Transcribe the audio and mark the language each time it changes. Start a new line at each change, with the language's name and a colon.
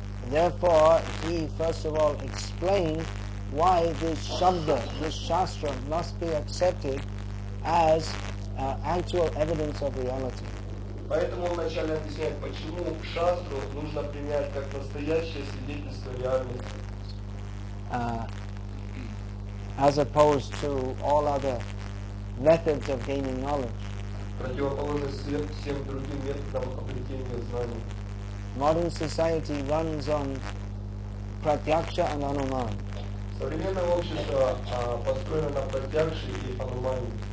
English: Therefore, he first of all explained why this Shabda, this Shastra, must be accepted as actual evidence of reality.
Russian: Поэтому он вначале объясняет, почему шастру нужно принять как настоящее свидетельство реальности.
English: As opposed to all other methods of gaining knowledge.
Russian: Противоположность всем другим методам обретения знаний.
English: Modern society runs on pratyaksha and anuman.
Russian: Современное общество построено на пратьякше и анумане.